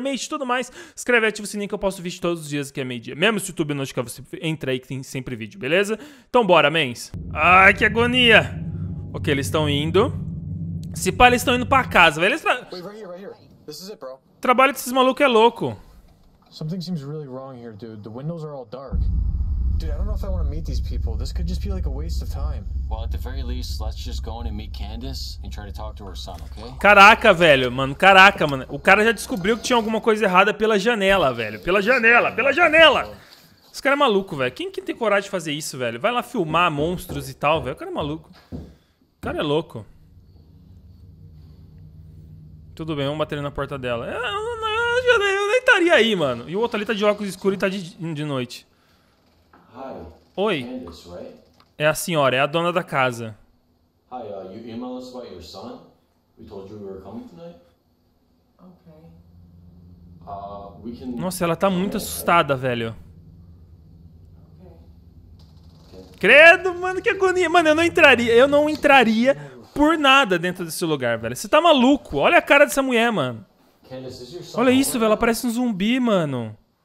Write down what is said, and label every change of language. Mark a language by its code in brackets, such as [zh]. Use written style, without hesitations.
[pt] Mage, tudo mais, escreve e ativa o sininho que eu posto vídeo todos os dias que é meio-dia. Mesmo se o YouTube notificar, você entra aí que tem sempre vídeo, beleza? Então bora, mens. Ai, que agonia! Ok, eles estão indo. Se pá, eles estão indo pra casa, velho. [en] Right here. This is it, bro. [pt] Trabalho desses malucos é louco. [en] Something seems really wrong here, dude. The windows are all dark. Dude, I don't know if I want to meet these people. This could just be like a waste of time. Well, at the very least, let's just go in and meet Candace and try to talk to her son, okay? [pt] Caraca, velho, mano. Caraca, mano. O cara já descobriu que tinha alguma coisa errada pela janela, velho. Pela janela, pela janela! Esse cara é maluco, velho. Quem que tem coragem de fazer isso, velho? Vai lá filmar monstros e tal, velho. O cara é maluco. O cara é louco. Tudo bem, vamos bater na porta dela. Eu nem estaria aí, mano. E o outro ali tá de óculos escuros e tá de noite. Oi. É a senhora, é a dona da casa. [en] Hi, you email us about your son? We told you we were coming tonight. Okay. [pt] Nossa, ela tá muito assustada, velho. Credo, mano, que agonia. Mano, eu não entraria por nada dentro desse lugar, velho. Você tá maluco? Olha a cara dessa mulher, mano. Olha isso, velho. Ela parece um zumbi, mano.